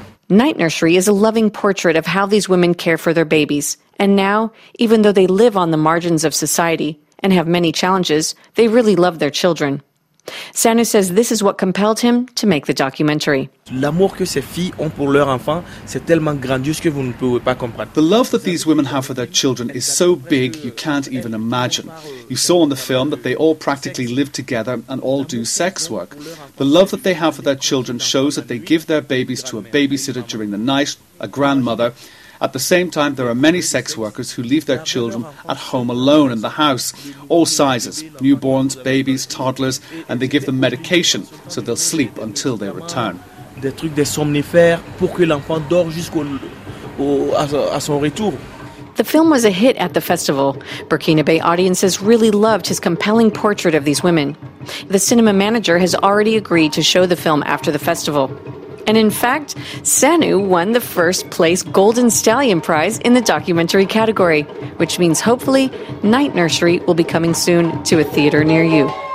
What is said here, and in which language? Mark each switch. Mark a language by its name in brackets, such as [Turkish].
[English] Night Nursery is a loving portrait of how these women care for their babies. And now, even though they live on the margins of society and have many challenges, they really love their children. Sanu says this is what compelled him to make the documentary. [French] L'amour que ces filles ont pour leurs enfants, c'est tellement grandiose que vous ne pouvez pas comprendre. [English] The love that these women have for their children is so big you can't even imagine. You saw in the film that they all practically live together and all do sex work. The love that they have for their children shows that they give their babies to a babysitter during the night, a grandmother. At the same time, there are many sex workers who leave their children at home alone in the house, all sizes, newborns, babies, toddlers, and they give them medication so they'll sleep until they return. [French] Des trucs des somnifères pour que l'enfant dort jusqu'à son retour. [English] The film was a hit at the festival. Burkina Bay audiences really loved his compelling portrait of these women. The cinema manager has already agreed to show the film after the festival. And in fact, Sanu won the first place Golden Stallion Prize in the documentary category, which means hopefully Night Nursery will be coming soon to a theater near you.